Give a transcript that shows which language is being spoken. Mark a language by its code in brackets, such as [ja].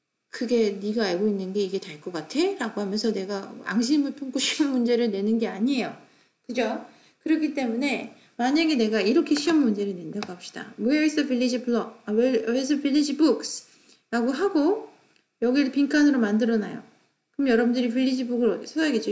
[ko] 그게 네가 알고 있는 게 이게 될것 같아? 라고 하면서 내가 앙심을 품고 시험 문제를 내는 게 아니에요. 그죠? 그렇기 때문에 만약에 내가 이렇게 시험 문제를 낸다고 합시다. [en] Where is the village block? Where is the village books? [ko] 라고 하고 여기를 빈칸으로 만들어놔요. 그럼 여러분들이 village book을 써야겠죠?